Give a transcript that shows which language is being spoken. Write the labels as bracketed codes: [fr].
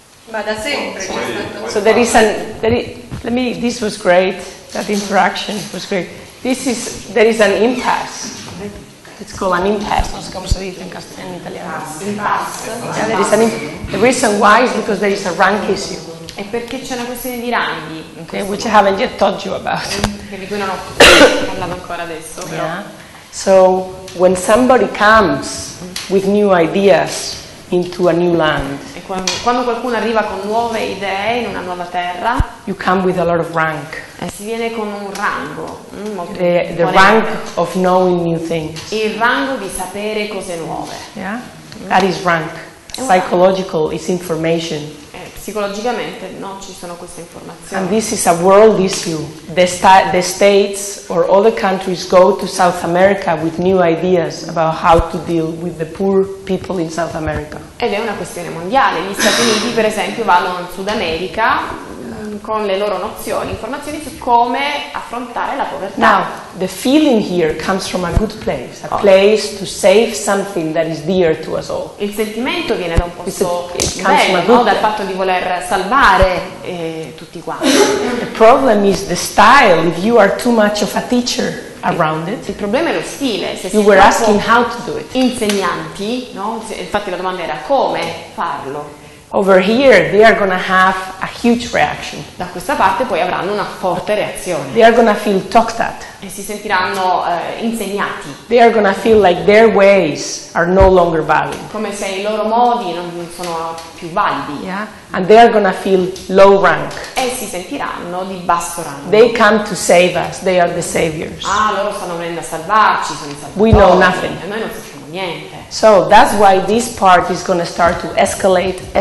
[it] Ma da sempre c'è stato. [en] So there is an this was great. That interaction was great. There is an impasse. It's called an impasse. [it] Non so come si dice in castellano, in italiano. [en] The reason why is because there is a rank issue. [it] È perché c'è una questione di ranghi. [en] Okay, which I haven't yet told you about. [it] Che di cui non ho parlato ancora adesso, però. [en] Yeah. So, when somebody comes with new ideas into a new land. [it] E quando qualcuno arriva con nuove idee in una nuova terra. [en] You come with a lot of rank. [it] Si viene con un rango. [en] The rank of knowing new things. [it] Il rango di sapere cose nuove. [en] Yeah? That is rank. Psychological is information. [it] Psicologicamente non ci sono queste informazioni. [en] And this is a world issue. The states or other countries go to South America with new ideas about how to deal with the poor people in South America. [it] Ed è una questione mondiale. Gli Stati Uniti, per esempio, vanno in Sud America con le loro nozioni, informazioni su come affrontare la povertà. [en] Now, the feeling here comes from a good place, place to save something that is dear to us all. [it] Il sentimento viene da un posto dal fatto di voler salvare tutti quanti. [en] The problem is the style, if you are too much of a teacher around it. [it] Il problema è lo stile, se [en] you were asking how to do it. [it] Insegnanti, no? Infatti la domanda era come farlo. [en] Over here they are gonna have a huge reaction. [it] Da questa parte poi avranno una forte reazione. [en] They are gonna feel talked at. [it] E si sentiranno insegnati. [en] They are gonna feel like their ways are no longer valid. [it] Come se i loro modi non sono più validi. [en] Yeah? And they are gonna feel low rank. [it] E si sentiranno di basso rango. [en] They come to save us. They are the saviors. [it] Ah, loro stanno venendo a salvarci, sono i salvatori. [en] We know nothing. [it] E noi non sappiamo niente. [en] So that's why this part is going to start to escalate.